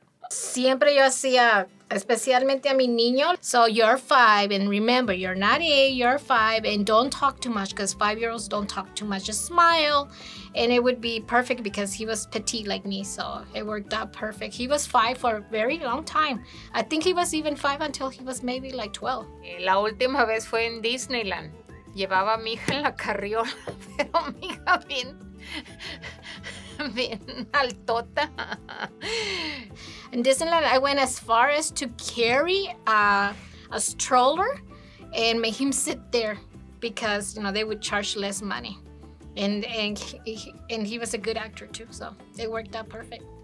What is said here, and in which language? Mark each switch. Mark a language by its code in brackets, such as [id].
[es] Siempre yo hacía, especialmente a mi niño. [en] So you're 5 and remember, you're not 8, you're 5. And don't talk too much because 5-year-olds don't talk too much. Just smile. And it would be perfect because he was petite like me. So it worked out perfect. He was 5 for a very long time. I think he was even 5 until he was maybe like 12. [es] La última vez fue en Disneyland. Llevaba a mi hija en la carriola, pero mi hija bien... altota. [en] In Disneyland, I went as far as to carry a stroller and make him sit there because, you know, they would charge less money. And he was a good actor too, so it worked out perfect.